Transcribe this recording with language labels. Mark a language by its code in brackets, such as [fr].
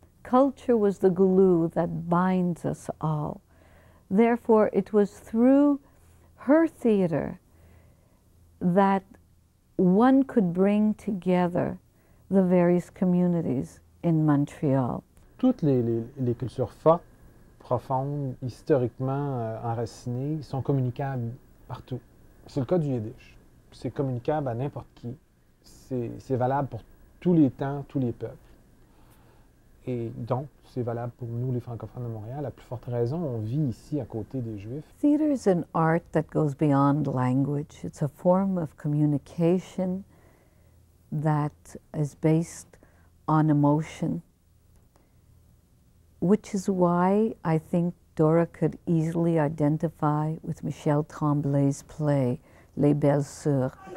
[en] Culture was the glue that binds us all. Therefore, it was through her theater that one could bring together the various communities in Montreal. [fr] Toutes les cultures fortes, profondes, historiquement enracinées, sont communicables partout. C'est le cas du Yiddish. C'est communicable à n'importe qui. C'est valable pour tous les temps, tous les peuples. Et donc, c'est valable pour nous, les francophones de Montréal. La plus forte raison, on vit ici à côté des Juifs. [en] Theater is an art that goes beyond language. It's a form of communication that is based on emotion. Which is why I think Dora could easily identify with Michel Tremblay's play, Les Belles Sœurs.